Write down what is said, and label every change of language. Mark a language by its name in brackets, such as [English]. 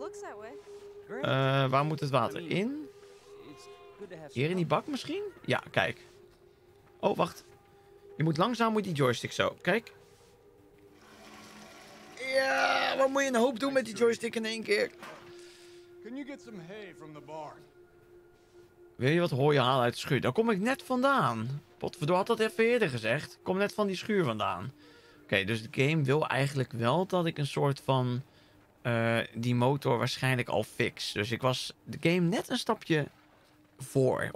[English] looks that way. [Dutch] Waar moet het water in? Hier in die bak misschien? Ja, kijk. Oh, wacht. Je moet langzaam met die joystick zo. Kijk. Ja, wat moet je een hoop doen met die joystick in één keer? [English] Can you get some hay from the barn? [Dutch] Wil je wat hooi halen uit de schuur? Daar kom ik net vandaan. Potverdorie, had dat even eerder gezegd. Kom net van die schuur vandaan. Oké, okay, dus de game wil eigenlijk wel dat ik een soort van... die motor waarschijnlijk al fix. Dus ik was de game net een stapje voor.